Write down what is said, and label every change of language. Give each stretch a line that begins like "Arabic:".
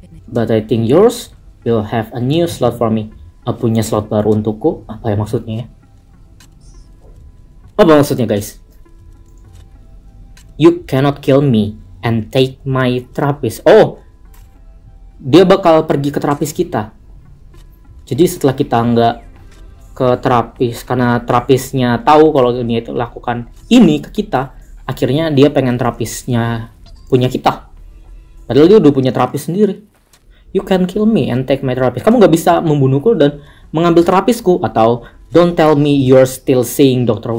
English: But I think yours will have a new slot for me.
Indonesian: Punya slot baru untukku? Apa ya maksudnya? Apa maksudnya, guys?
English: You cannot kill me and take my therapist.
Indonesian: Dia bakal pergi ke terapis kita. Jadi setelah kita nggak ke terapis karena terapisnya tahu kalau dia itu lakukan ini ke kita, akhirnya dia pengen terapisnya punya kita. Padahal dia udah punya terapis sendiri.
English: You can kill me and take my therapist.
Indonesian: Kamu nggak bisa membunuhku dan mengambil terapisku. Atau
English: don't tell me you're still seeing Dr.